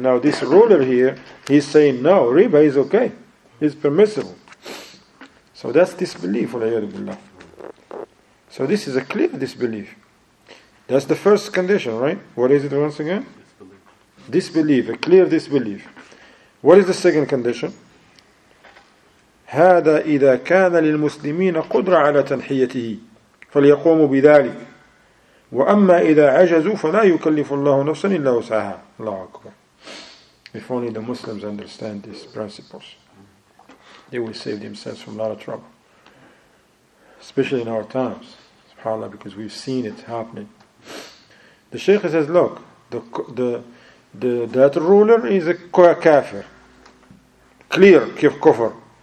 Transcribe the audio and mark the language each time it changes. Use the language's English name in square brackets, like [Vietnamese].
[English] Now this ruler here, he's saying, no, riba is okay. It's permissible. So that's disbelief. So this is a clear disbelief. That's the first condition, right? What is it once again? Disbelief, a clear disbelief. What is the second condition? [Arabic] هذا إذا كان للمسلمين قدرة على تنحيته فليقوموا بذلك وأما إذا عجزوا فلا يكلف الله نفسا إلا وسعها. الله أكبر. [English] If only the Muslims understand these principles, they will save themselves from a lot of trouble. Especially in our times. SubhanAllah, because we've seen it happening. The Shaykh says, look, that ruler is a kafir, clear kufr.